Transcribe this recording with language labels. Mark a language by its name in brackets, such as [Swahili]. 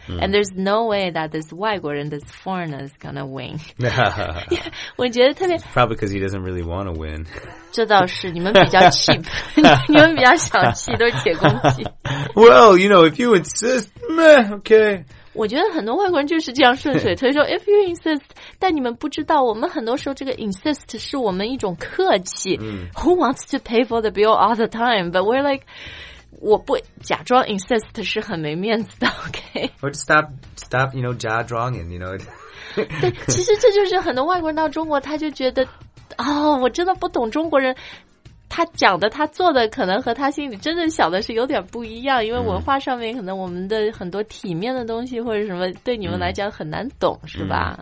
[English] And there's no way that this 外国人, this foreigner is gonna win. [Chinese] 我觉得特别 [English] Probably because he doesn't really want to win. [Chinese] 这倒是，你们比较 cheap, 你们比较小气，都是铁公鸡。 [English] Well, you know, if you insist, meh, okay. [Chinese] 我觉得很多外国人就是这样顺水推舟。 [English] If you insist, [Chinese] 但你们不知道，我们很多时候这个 insist 是我们一种客气。 [English] Who wants to pay for the bill all the time? But we're like, [Chinese] 我不假装 insist 是很没面子的 ，okay? [English] Or stop, you know, jaw drawing, you know. [Chinese] 对，其实这就是很多外国人到中国，他就觉得。哦、oh, 我真的不懂中国人他讲的他做的可能和他心里真正想的是有点不一样因为文化上面可能我们的很多体面的东西或者什么对你们来讲很难懂是吧